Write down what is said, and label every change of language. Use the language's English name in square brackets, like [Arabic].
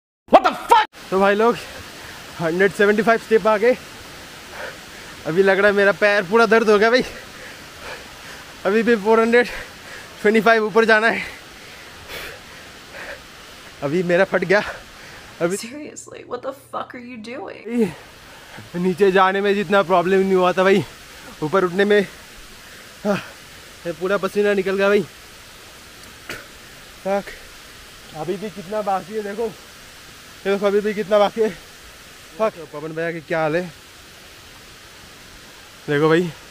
[English] What the fuck? [Hindi] तो भाई लोग 175 स्टेप आ गए, अभी लग रहा है मेरा पैर पूरा दर्द हो गया भाई, अभी भी 425 ऊपर जाना है, अभी मेरा फट गया अभी। [English] Seriously, what the fuck are you doing? [Hindi] नीचे जाने में जितना प्रॉब्लम नहीं हुआ था भाई, ऊपर उठने में पूरा पसीना निकल गया भाई। फक, अभी भी कितना बाकी है देखो, देखो अभी भी कितना बाकी है। पवन भैया की क्या हाल है देखो भाई,